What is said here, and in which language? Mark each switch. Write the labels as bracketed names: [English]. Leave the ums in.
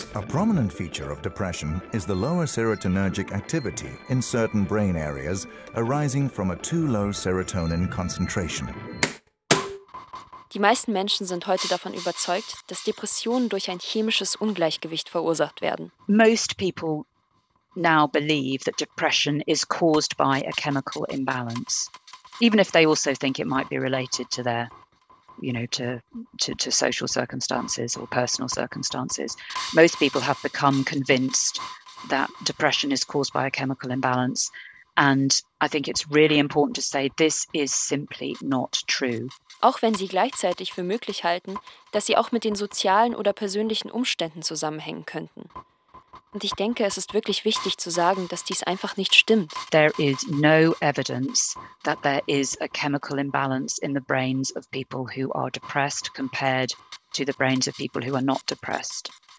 [English] A prominent feature of depression is the lower serotonergic activity in certain brain areas arising from a too low serotonin concentration. [German] Die meisten Menschen sind heute davon überzeugt, dass Depressionen durch ein chemisches Ungleichgewicht verursacht werden. [English] Most people now believe that depression is caused by a chemical imbalance, even if they also think it might be related to their, you know, to to, to social circumstances or personal circumstances. Most people have become convinced that depression is caused by a chemical imbalance, and I think it's really important to say this is simply not true. [German] Auch wenn sie gleichzeitig für möglich halten, dass sie auch mit den sozialen oder persönlichen Umständen zusammenhängen könnten. Und ich denke, es ist wirklich wichtig zu sagen, dass dies einfach nicht stimmt. [English] There is no evidence that there is a chemical imbalance in the brains of people who are depressed compared to the brains of people who are not depressed.